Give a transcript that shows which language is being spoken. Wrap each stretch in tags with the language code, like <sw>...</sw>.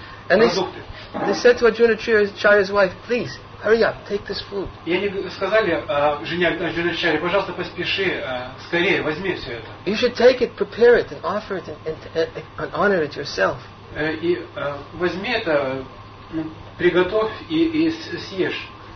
<en>And they said to Ajuna-chari's wife, please, hurry up, take this food.</en> <ru>И они сказали жене Аджуна-чари, пожалуйста, поспеши, скорее, возьми все это.</ru> <en>You should take it, prepare it, and offer it, and honor it yourself.</en> <ru>И возьми это, приготовь и съешь.</ru>